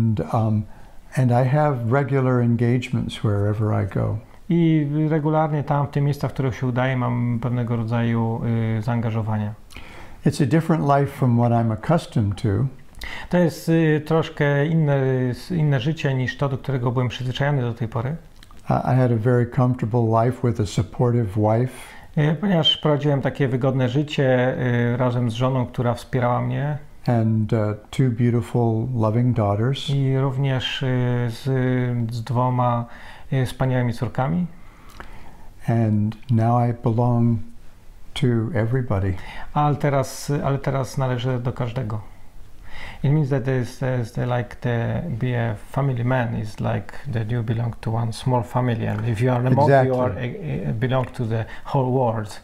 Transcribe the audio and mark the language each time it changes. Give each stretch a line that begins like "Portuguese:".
English: And I have regular engagements wherever I go.
Polish: I regularnie tam, w tych miejscach, w których się udaję, mam pewnego rodzaju zaangażowania.
English: It's a different life from what I'm accustomed to.
Polish: To jest troszkę inne życie niż to, do którego byłem przyzwyczajony do tej pory.
English: I had a very comfortable life with a supportive wife.
Polish: Ponieważ prowadziłem takie wygodne życie razem z żoną, która wspierała mnie.
English: And two beautiful, loving daughters.
Polish: I również z dwoma wspaniałymi córkami.
English: And now I belong to everybody.
Polish: Ale teraz należę do każdego.
English: It means that there's like the be a family man is like that you belong to one small family, and if you are a exactly. monk, you are belong to the whole world.